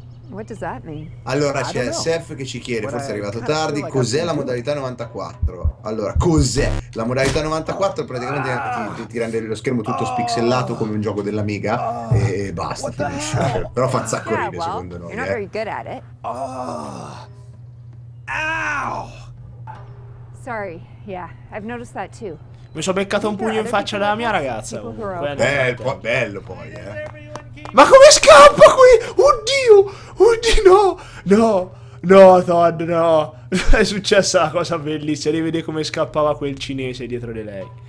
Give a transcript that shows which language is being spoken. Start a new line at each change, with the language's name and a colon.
English: What does that mean?
Italian: Allora c'è Seth che ci chiede, forse è arrivato tardi, cos'è la modalità 94? Allora, cos'è? La modalità 94 praticamente ti rende lo schermo tutto spixellato come un gioco dell'Amiga e basta, finisce. Però fa un sacco ridere, secondo noi.
English: You're not very good at it. Ow! Sorry, yeah, I've noticed that too.
Italian: Mi sono beccato un pugno in faccia dalla mia ragazza. Bello poi, Ma come scappa qui? Oddio! Oddio, no! No! No, Todd, no. È successa una cosa bellissima. Devi vedere come scappava quel cinese dietro di lei.